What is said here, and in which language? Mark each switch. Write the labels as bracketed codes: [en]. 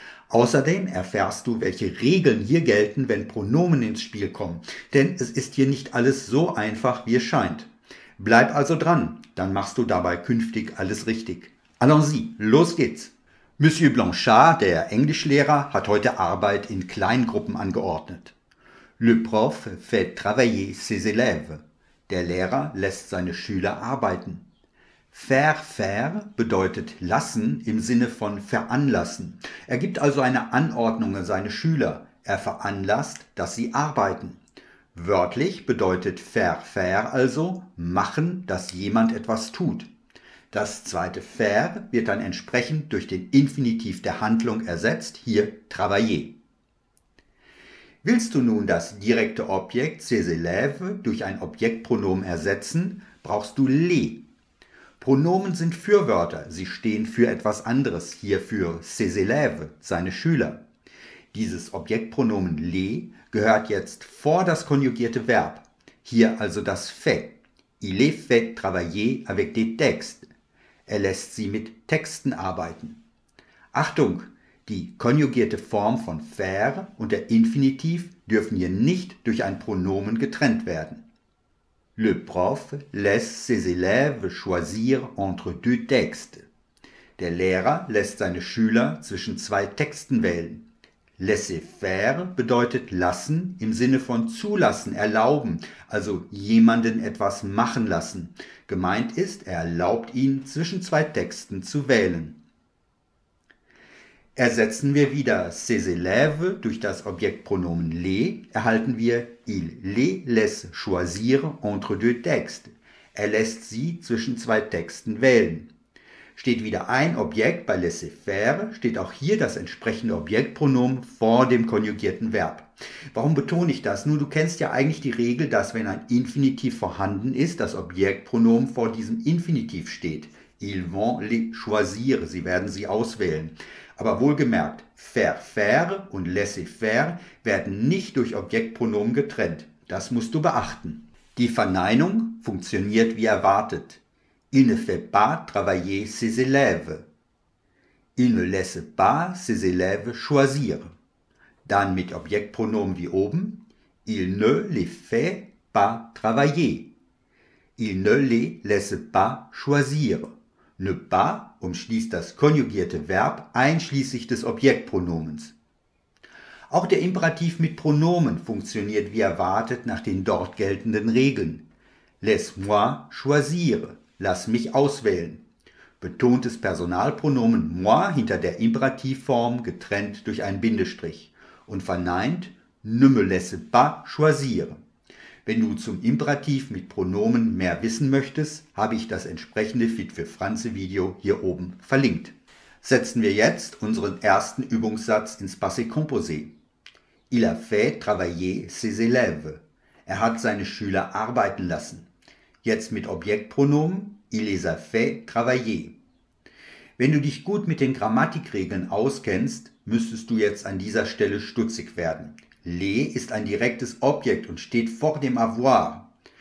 [de] Außerdem erfährst du, welche Regeln hier gelten, wenn Pronomen ins Spiel kommen, denn es ist hier nicht alles so einfach, wie es scheint. Bleib also dran, dann machst du dabei künftig alles richtig. Allons-y, los geht's! Monsieur Blanchard, der Englischlehrer, hat heute Arbeit in Kleingruppen angeordnet. [fr] Le prof fait travailler ses élèves. [de] Der Lehrer lässt seine Schüler arbeiten. Faire bedeutet lassen im Sinne von veranlassen. Er gibt also eine Anordnung an seine Schüler. Er veranlasst, dass sie arbeiten. Wörtlich bedeutet faire also machen, dass jemand etwas tut. Das zweite faire wird dann entsprechend durch den Infinitiv der Handlung ersetzt, hier travailler. Willst du nun das direkte Objekt ses élèves durch ein Objektpronomen ersetzen, brauchst du les. Pronomen sind Fürwörter, sie stehen für etwas anderes, hier für ses élèves, seine Schüler. Dieses Objektpronomen les gehört jetzt vor das konjugierte Verb, hier also das fait. [fr] Il est fait travailler avec des textes. [de] Er lässt sie mit Texten arbeiten. Achtung, die konjugierte Form von faire und der Infinitiv dürfen hier nicht durch ein Pronomen getrennt werden. [fr] Le prof laisse ses élèves choisir entre deux textes. [de] Der Lehrer lässt seine Schüler zwischen zwei Texten wählen. Laissez-faire bedeutet lassen im Sinne von zulassen, erlauben, also jemanden etwas machen lassen. Gemeint ist, er erlaubt ihn, zwischen zwei Texten zu wählen. Ersetzen wir wieder ses élèves durch das Objektpronomen les, erhalten wir [fr] il les laisse choisir entre deux textes. [de] Er lässt sie zwischen zwei Texten wählen. Steht wieder ein Objekt bei laissez-faire, steht auch hier das entsprechende Objektpronomen vor dem konjugierten Verb. Warum betone ich das? Nun, du kennst ja eigentlich die Regel, dass wenn ein Infinitiv vorhanden ist, das Objektpronomen vor diesem Infinitiv steht. [fr] Ils vont les choisir, [de] sie werden sie auswählen. Aber wohlgemerkt, faire und laissez-faire werden nicht durch Objektpronomen getrennt. Das musst du beachten. Die Verneinung funktioniert wie erwartet. [fr] Il ne fait pas travailler ses élèves. Il ne laisse pas ses élèves choisir. [de] Dann mit Objektpronomen wie oben. [fr] Il ne les fait pas travailler. Il ne les laisse pas choisir. [de] Ne pas umschließt das konjugierte Verb einschließlich des Objektpronomens. Auch der Imperativ mit Pronomen funktioniert wie erwartet nach den dort geltenden Regeln. [fr] Laisse-moi choisir. [de] Lass mich auswählen. Betontes Personalpronomen moi hinter der Imperativform getrennt durch einen Bindestrich. Und verneint, [fr] ne me laisse pas choisir. [de] Wenn du zum Imperativ mit Pronomen mehr wissen möchtest, habe ich das entsprechende Fit für Franze-Video hier oben verlinkt. Setzen wir jetzt unseren ersten Übungssatz ins Passé Composé. [fr] Il a fait travailler ses élèves. [de] Er hat seine Schüler arbeiten lassen. Jetzt mit Objektpronomen, [fr] il les a fait travailler. [de] Wenn du dich gut mit den Grammatikregeln auskennst, müsstest du jetzt an dieser Stelle stutzig werden. Les ist ein direktes Objekt und steht vor dem Avoir.